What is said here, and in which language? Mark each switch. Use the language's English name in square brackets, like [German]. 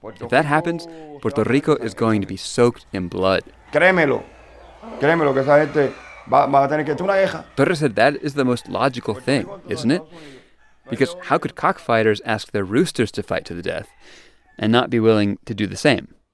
[English] If that happens, Puerto Rico is going to be soaked in blood. [Spanish] Créemelo. Créemelo que esa gente va a tener que hacer una guerra. [English] Torres said that is the most logical thing, isn't it? Because how could cockfighters ask their roosters to fight to the death and not be willing to do the same?